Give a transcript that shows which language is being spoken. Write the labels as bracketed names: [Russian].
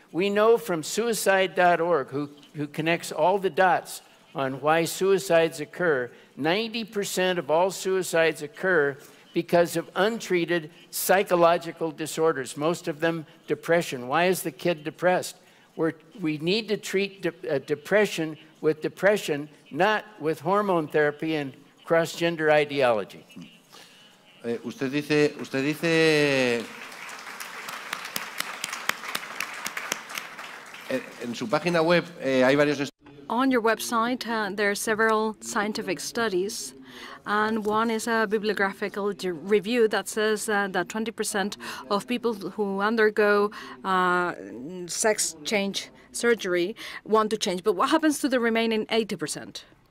[English] We know from suicide.org, who connects all the dots on why suicides occur, 90% of all suicides occur because of untreated psychological disorders, most of them depression. Why is the kid depressed? We need to treat depression with depression, not with hormone therapy and cross-gender ideology. [Spanish] Usted dice en su página web hay varios. [English] On your website, there are several scientific studies, and one is a bibliographical review that says that 20% of people who undergo sex change surgery want to change. But what happens to the remaining 80%?